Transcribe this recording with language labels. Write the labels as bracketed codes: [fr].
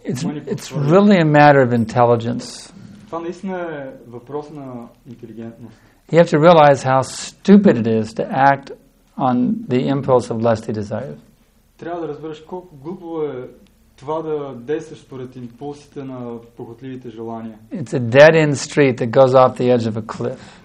[en] It's really a matter of intelligence. [bg] Това наистина е въпрос на интелигентност. [en] You have to realize how stupid it is to act on the impulse of lusty desires. [bg] Трябва да разбереш колко глупо е това да действаш според импулсите на похотливите желания. [en] It's a dead-end street that goes off the edge of a cliff.